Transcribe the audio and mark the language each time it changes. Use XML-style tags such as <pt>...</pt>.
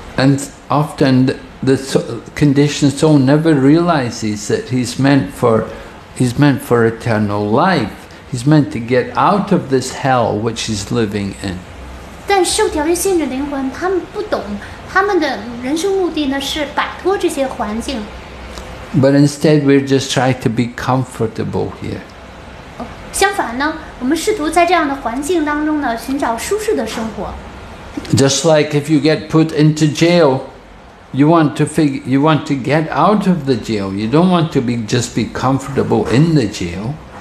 <en>And often the conditioned soul never realizes that he's meant for eternal life. He's meant to get out of this hell which he's living in.</en> <zh>但受条件限制的灵魂，他们不懂，他们的人生目的呢是摆脱这些环境。</zh> <en>But instead, we're just trying to be comfortable here.</en> <zh>相反呢，我们试图在这样的环境当中呢寻找舒适的生活。</zh> <en>Just like if you get put into jail. You want to get out of the jail. You don't want to be comfortable in the jail.</en>